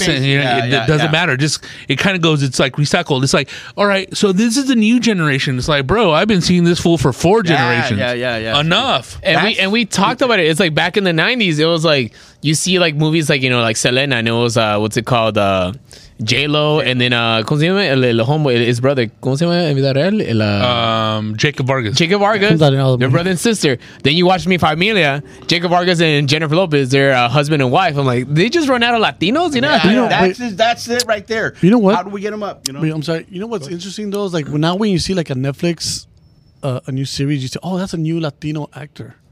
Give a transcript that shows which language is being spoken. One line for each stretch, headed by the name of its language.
English: Same faces, you know, it doesn't matter. Just, it kind of goes, it's like recycled. It's like, all right, so this is the new generation. It's like, bro, I've been seeing this fool for four generations. Yeah. Enough. And we talked about it. It's like back in the 90s, it was like, you see, like, movies like, you know, like Selena, and it was, what's it called?
Spanish: J-Lo,
English: and then,
Spanish: ¿cómo se llama? El homeboy,
English: his brother.
Spanish: ¿Cómo se llama en vida real?
English: Jacob Vargas. Their brother and sister. Then you watch Mi Familia, Jacob Vargas and Jennifer Lopez, their husband and wife. I'm like, they just run out of Latinos, you know? Yeah, you know, that's it right there. You know what? How do we get them up? You know? I'm sorry. You know what's interesting, though? Is like, when you see, like, a Netflix, a new series, you say, oh, that's a new Latino actor.